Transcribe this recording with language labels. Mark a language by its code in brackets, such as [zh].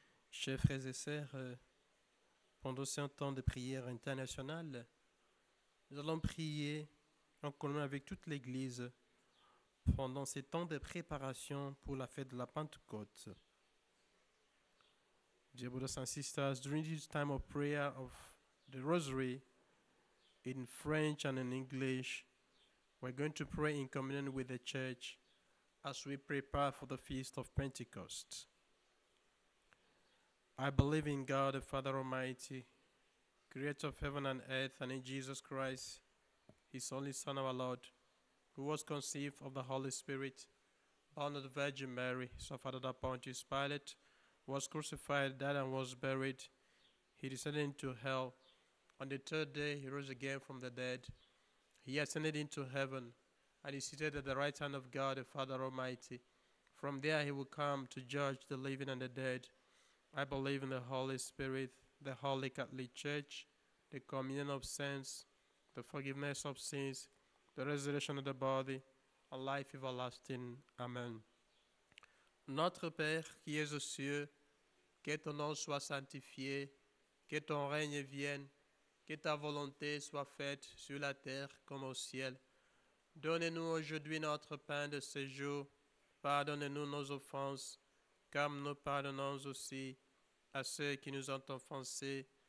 [fr] Chers frères et sœurs, pendant ce temps de prière internationale, nous allons prier en commun avec toute l'Église pendant ces temps de préparation pour la fête de la Pentecôte. [en] Dear brothers and sisters, during this time of prayer of the Rosary, in French and in English, we're going to pray in communion with the Church as we prepare for the Feast of Pentecost. I believe in God, the Father Almighty, creator of heaven and earth, and in Jesus Christ, his only Son, our Lord, who was conceived of the Holy Spirit, born of the Virgin Mary, suffered under Pontius Pilate, was crucified, died, and was buried. He descended into hell. On the third day, he rose again from the dead. He ascended into heaven, and is seated at the right hand of God, the Father Almighty. From there he will come to judge the living and the dead. I believe in the Holy Spirit, the Holy Catholic Church, the communion of saints, the forgiveness of sins, the resurrection of the body, and life everlasting. Amen. [fr] Notre Père, qui es aux cieux, que ton nom soit sanctifié, que ton règne vienne, que ta volonté soit faite sur la terre comme au ciel. Donne-nous aujourd'hui notre pain de ce jour. Pardonne-nous nos offenses, comme nous pardonnons aussi à ceux qui nous ont offensés.